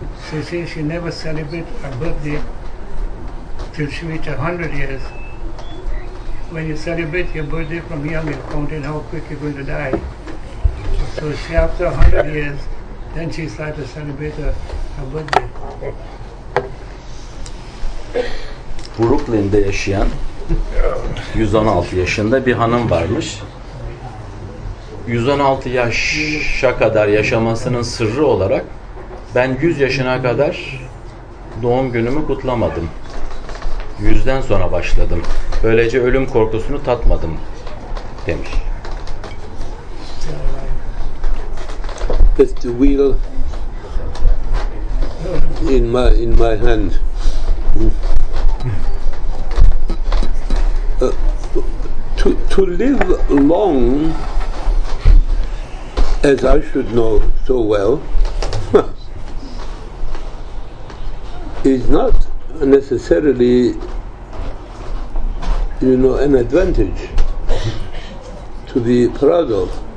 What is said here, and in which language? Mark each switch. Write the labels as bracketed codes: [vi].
[en] She says she never celebrates her birthday till she reaches 100 years. When you celebrate your birthday from young, you're counting how quick you're going to die. So she, after 100 years, then she starts to celebrate her birthday. [tr] Brooklyn'de yaşayan 116 yaşında bir hanım varmış. 116 yaşa kadar yaşamasının sırrı olarak ben 100 yaşına kadar doğum günümü kutlamadım. 100'den sonra başladım. Böylece ölüm korkusunu tatmadım demiş. [en] That's the wheel in my hand. To live long, as I should know so well, is not necessarily, you know, an advantage to be proud of.